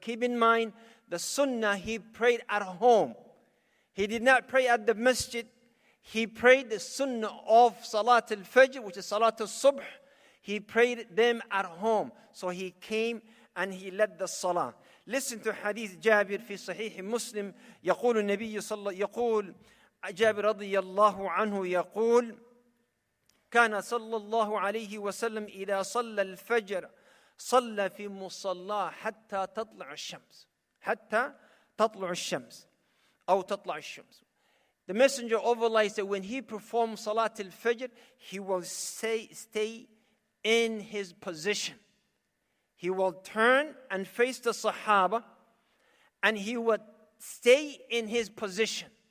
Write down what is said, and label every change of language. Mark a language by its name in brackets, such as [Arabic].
[English] Keep in mind, the sunnah, he prayed at home. He did not pray at the masjid. He prayed the sunnah of Salat al-Fajr, which is Salat al-Subh. He prayed them at home. So he came and he led the Salah. Listen to Hadith Jabir fi Sahih Muslim. [Arabic] يقول النبي صلى يقول جابر رضي الله عنه يقول كان صلى الله عليه وسلم إذا صلى الفجر صلى في مصلى حتى تطلع الشمس حتى تطلع الشمس أو تطلع الشمس. [English] The messenger of Allah said when he performed Salat al-Fajr, he will stay in his position. He will turn and face the Sahaba and he will stay in his position.